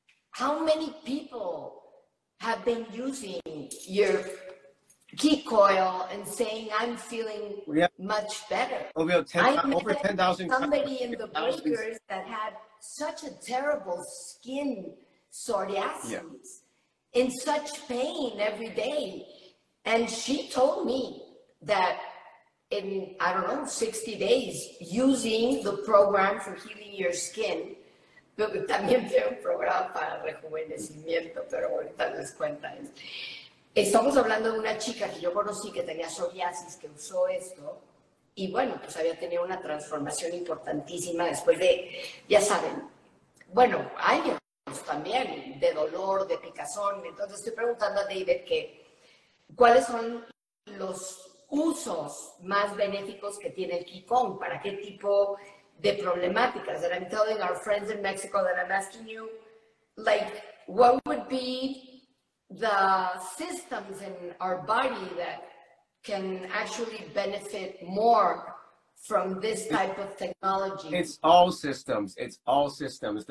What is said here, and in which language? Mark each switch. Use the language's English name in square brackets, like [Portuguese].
[English] How many people have been using your key coil and saying, I'm feeling much better? Oh, we have over 10,000. Somebody in the bunkers that had such a terrible skin psoriasis, in such pain every day. And she told me that in, I don't know, 60 days, using the program for healing your skin, [Spanish] también tiene un programa para rejuvenecimiento, pero ahorita les cuento. Estamos hablando de una chica que yo conocí que tenía psoriasis, que usó esto, Y bueno, pues había tenido una transformación importantísima después de, ya saben, bueno, años también de dolor, de picazón. Entonces estoy preguntando a David que, ¿cuáles son los usos más benéficos que tiene el Qigong? ¿Para qué tipo de problemáticas? [English] And I'm telling our friends in Mexico that I'm asking you, like, what would be the systems in our body that can actually benefit more from this type of technology? It's all systems. It's all systems.